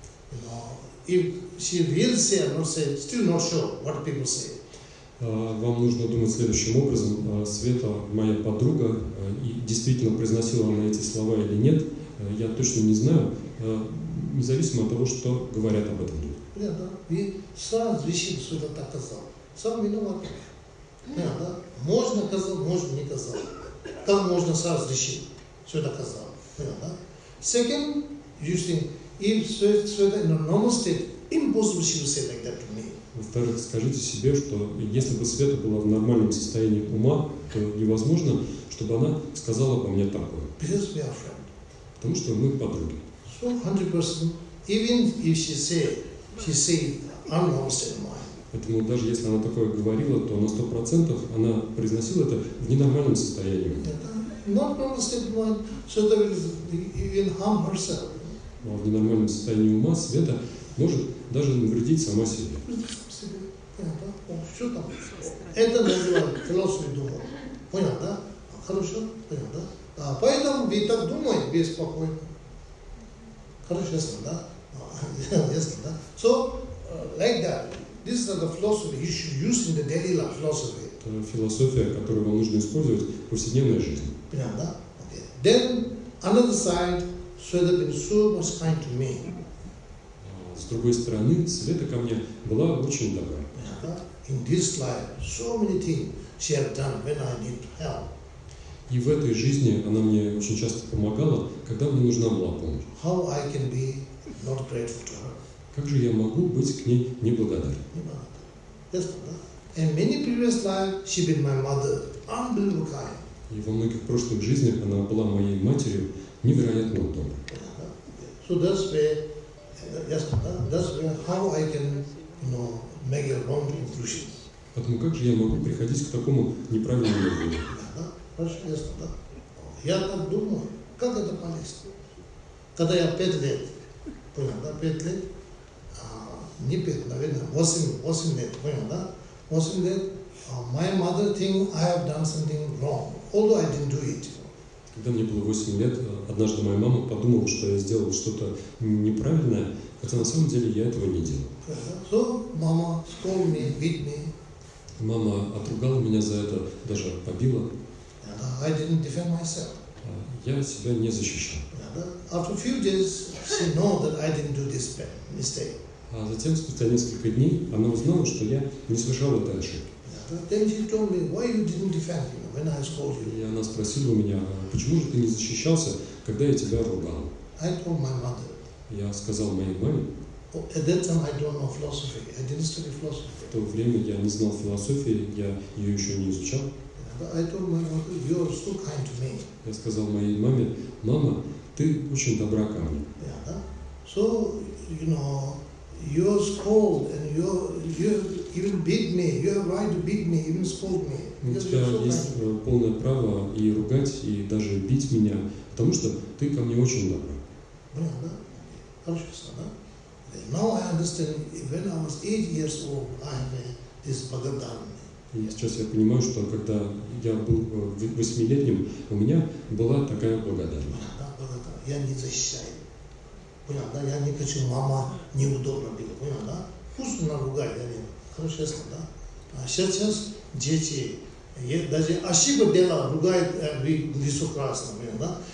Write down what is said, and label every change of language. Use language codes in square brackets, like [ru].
[en] You know, if she will say or not say, still not sure what people say. [ru] Вам нужно думать следующим образом. Света, моя подруга, и действительно произносила она эти слова или нет, я точно не знаю, независимо от того, что говорят об этом люди. Да, да. И сразу вещи Света так сказал. Сам виноват. Да, да. Можно сказать, можно не сказать. Там можно сразу решить. Света сказал. Да. [en] Second, you think, if Света in a normal state, impossible she will say like that to me. [ru] Во-вторых, скажите себе, что если бы Света была в нормальном состоянии ума, то невозможно, чтобы она сказала обо мне такое. [en] Because we are friend. [ru] Потому что мы подруги. [en] So 100%, even if she say, I'm not saying mine. [ru] Поэтому даже если она такое говорила, то на 100% она произносила это в ненормальном состоянии. [en] Not normal state of mind, so that will even harm herself. [ru] Но в ненормальном состоянии ума Света может даже навредить сама себе. Что там? Это называется философия дума. Понял, да? Хорошо? Понял, да? А поэтому вы так думаете беспокойно. Хорошо, ясно, да? Ясно, да? [en] So, like that. This is the philosophy you should use in the daily life philosophy. [ru] Это философия, которую вам нужно использовать в повседневной жизни. Понял, да? Okay. [en] Then, another side, so that been so much kind to me. [ru] С другой стороны, Света ко мне была очень добра. [en] In this life, so many things she has done when I need help. [ru] И в этой жизни она мне очень часто помогала, когда мне нужна была помощь. [en] How I can be not grateful to her? [ru] Как же я могу быть к ней неблагодарен? Неблагодарен. [en] And many previous life she been my mother, unbelievable kind. [ru] И во многих прошлых жизнях она была моей матерью, невероятно доброй. [en] So that's where. Yes, that's where how I can, you know, make a wrong conclusion. [ru] Поэтому как же я могу приходить к такому неправильному выводу? Да, хорошо, yes, да. Я так думаю, как это полезно. Когда я 5 лет, понял, да, 5 лет, не 5, наверное, 8 лет, понял, да? 8 лет, [en] my mother think I have done something wrong, although I didn't do it. [ru] Когда мне было 8 лет, однажды моя мама подумала, что я сделал что-то неправильное, хотя на самом деле я этого не делал. [en] So, mama scold me, beat me. [ru] Мама отругала меня за это, даже побила. [en] I didn't defend myself. [ru] Я себя не защищал. [en] After a few days, she know that I didn't do this mistake. [ru] А затем, спустя несколько дней, она узнала, что я не совершал это ошибки. [en] Then she told me, why you didn't defend me when I scold you? [ru] И она спросила у меня, почему же ты не защищался, когда я тебя ругал? [en] I told my mother. [ru] Я сказал моей маме. [en] Oh, at that time I don't know philosophy. I didn't study philosophy. [ru] В то время я не знал философии, я ее еще не изучал. [en] But I told my mother, you are so kind to me. [ru] Я сказал моей маме, мама, ты очень добра ко мне. [en] Yeah. So, you know, you are scold and you even beat me. You have right to beat me, even scold me. [ru] У тебя есть полное право и ругать, и даже бить меня, потому что ты ко мне очень добра. Хорошо, да? [en] Now I understand, when I was 8 years old, I had this Bhagavadana. [ru] Сейчас я понимаю, что когда я был 8-летним, у меня была такая благодарность. Я не защищаю. Понял, да? Я не хочу, мама неудобно била. Понял, да? Пусть она ругает, я не знаю. Хорошо, ясно, да? А сейчас дети, даже ошибка дела ругает высокорасно, понял, да?